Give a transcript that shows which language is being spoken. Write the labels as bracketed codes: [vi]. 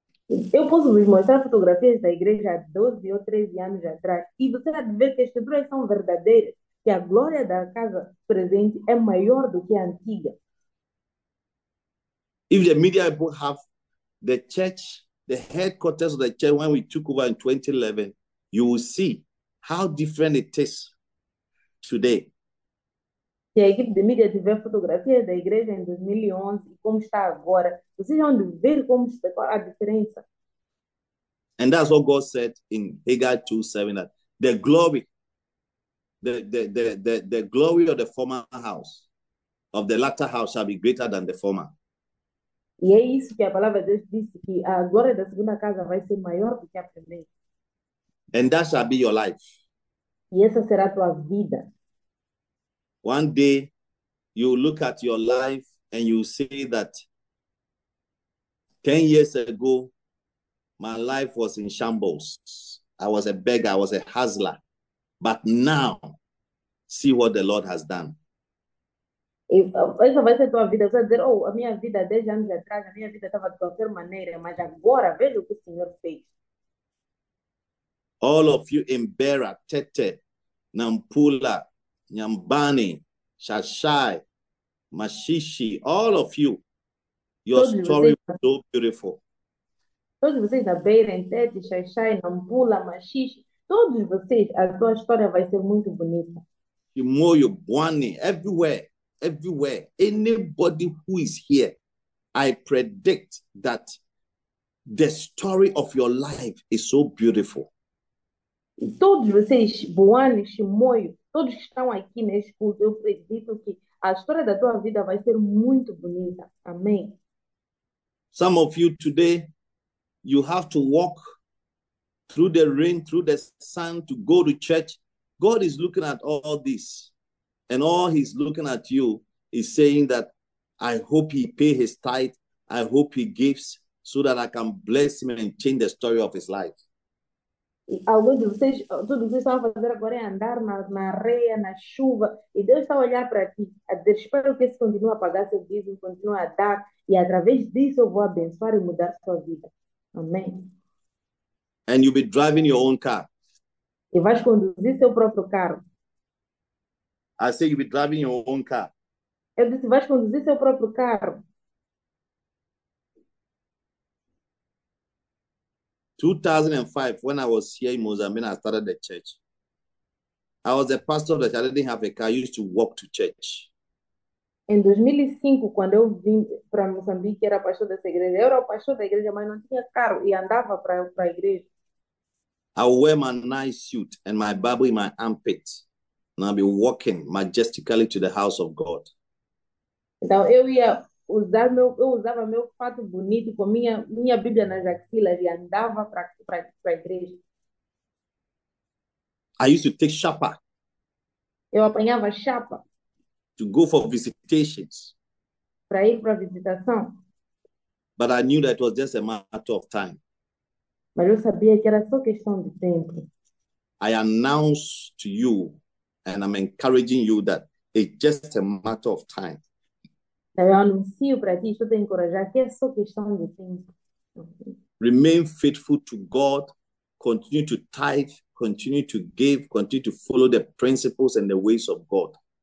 [pt] Eu posso vos mostrar fotografias da igreja há 12 ou 13 anos atrás e você vai ver que as figuras são verdadeiras, que a glória da casa presente é maior do que a antiga. [en] If the media people have the church, the headquarters of the church, when we took over in 2011, you will see how different it is today. [pt] Se a equipe de mídia tiver fotografias da igreja em 2011 e como está agora, vocês vão ver como está a diferença. [en] And that's what God said in Haggai 2:7, that the glory, the glory of the former house, of the latter house, shall be greater than the former. [pt] E é isso que a palavra de Deus disse, que a glória da segunda casa vai ser maior do que a primeira. [en] And that shall be your life. [pt] E essa será a tua vida. [en] One day, you look at your life and you say that 10 years ago, my life was in shambles. I was a beggar, I was a hustler. But now, see what the Lord has done. [pt] Essa vai ser a tua vida. Você vai dizer, oh, a minha vida 10 anos atrás, a minha vida estava de qualquer maneira, mas agora veja o que o Senhor fez. [en] All of you in Bera, Tete, Nampula, Nyambani, Shashai, Mashishi, all of you, your story was so beautiful. [pt] Todos vocês da Beira, Entete, Xaixai, Nampula, Maxixe, todos vocês, a tua história vai ser muito bonita. [en] Chimoio, Bwani, everywhere, everywhere, anybody who is here, I predict that the story of your life is so beautiful. [pt] Todos vocês, Boane, Chimoio, todos que estão aqui neste culto, eu acredito que a história da tua vida vai ser muito bonita. Amém. [en] Some of you today, you have to walk through the rain, through the sun to go to church. God is looking at all this, and all he's looking at you is saying that I hope he pay his tithe, I hope he gives so that I can bless him and change the story of his life. [pt] Alguns de vocês, tudo que vocês estão a fazer agora é andar na areia, na chuva, e Deus está a olhar para ti, a dizer: espero que você continue a pagar seu dízimo, continue a dar, e através disso eu vou abençoar e mudar sua vida. Amém. [en] And you'll be driving your own car. [pt] E vais conduzir seu próprio carro. [en] I say you'll be driving your own car. [pt] Eu disse: vais conduzir seu próprio carro. [en] Two thousand and five, when I was here in Mozambique, I started the church. I was a pastor of the church. I didn't have a car. I used to walk to church. [pt] Em 2005, quando eu vim para Moçambique, era pastor dessa igreja. Eu era o pastor da igreja, mas não tinha carro e andava para a igreja. [en] I will wear my nice suit and my Bible in my armpit, and I'll be walking majestically to the house of God. [pt] Então, eu usava meu fato bonito com minha Bíblia nas axilas e andava para a igreja. [en] I used to take chapa [pt] Eu apanhava chapa [en] to go for visitations, [pt] para ir para a visitação. [en] but I knew that it was just a matter of time. [pt] Mas eu sabia que era só questão de tempo. [en] I announce to you, and I'm encouraging you that it's just a matter of time. [pt] Eu anuncio para ti, estou te encorajar, que é só questão de tempo. [en] Remain faithful to God, continue to tithe, continue to give, continue to follow the principles and the ways of God.